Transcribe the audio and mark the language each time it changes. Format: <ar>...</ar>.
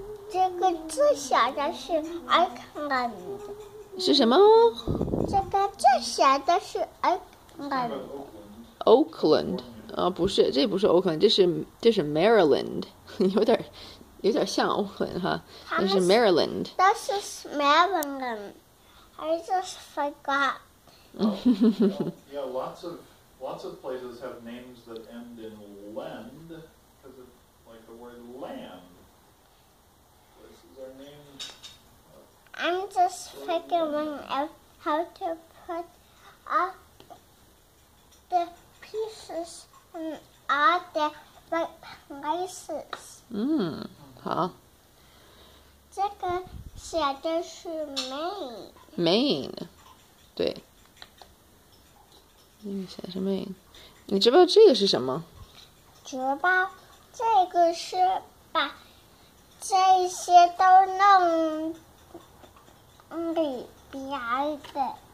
<zh>这个最小的是 Oakland。是什么？这个最小的是 Oakland。 Oakland， 啊、哦，不是，这不是 Oakland， 这是 Maryland， 有点像 Oakland 哈，那是 Maryland。那是 Maryland， 还是</zh> <en>just forgot。 Yeah, lots of places have names that end in land because of like the word land. Places are named. I'm just figuring out how to put up the pieces in all the right places.</en> <zh>Hmm. 好，这个写的是 Maine， Maine， 对，那个小师妹，你知道这个是什么？知道，这个是把这些都弄里边的。</zh>